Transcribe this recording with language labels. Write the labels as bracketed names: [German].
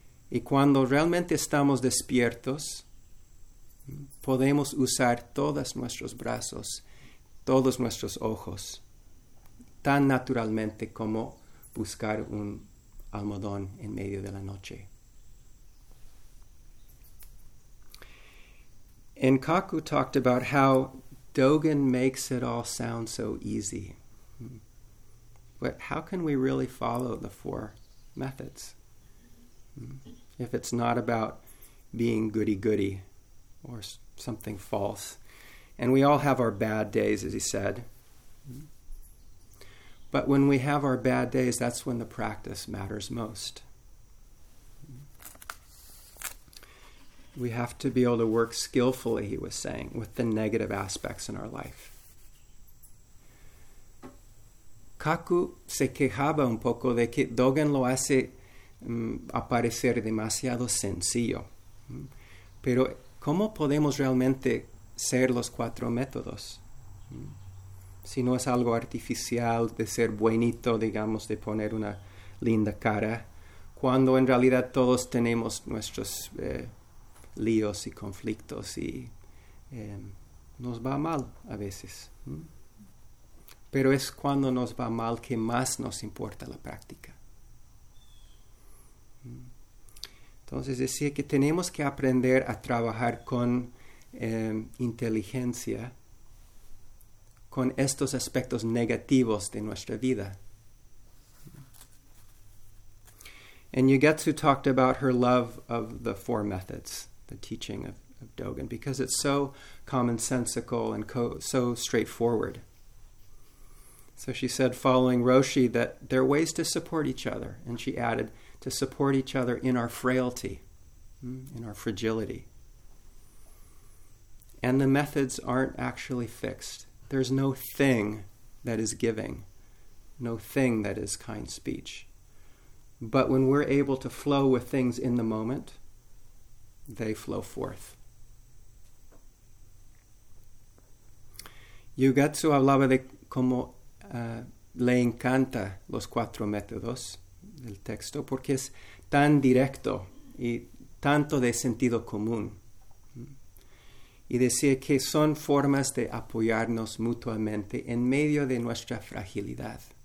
[Spanish] Y cuando realmente estamos despiertos, podemos usar todos nuestros brazos, todos nuestros ojos, tan naturalmente como buscar un almohadón en medio de la noche. [English] Nkaku talked about how Dogen makes it all sound so easy. But how can we really follow the four methods if it's not about being goody-goody or something false? And we all have our bad days, as he said. But when we have our bad days, that's when the practice matters most. We have to be able to work skillfully, he was saying, with the negative aspects in our life. [Spanish] Kaku se quejaba un poco de que Dogen lo hace aparecer demasiado sencillo. Pero, ¿cómo podemos realmente ser los cuatro métodos? Si no es algo artificial de ser buenito, digamos, de poner una linda cara, cuando en realidad todos tenemos nuestros líos y conflictos y nos va mal a veces. Pero es cuando nos va mal que más nos importa la práctica. Entonces decía que tenemos que aprender a trabajar con inteligencia con estos aspectos negativos de nuestra vida. [English] And Yugetsu talked about her love of the four methods, the teaching of Dogen, because it's so commonsensical and so straightforward. So she said, following Roshi, that there are ways to support each other. And she added, to support each other in our frailty, in our fragility. And the methods aren't actually fixed. There's no thing that is giving, no thing that is kind speech. But when we're able to flow with things in the moment, they flow forth. [Spanish] Yugetsu hablaba de cómo le encanta los cuatro métodos del texto porque es tan directo y tanto de sentido común. Y decía que son formas de apoyarnos mutuamente en medio de nuestra fragilidad.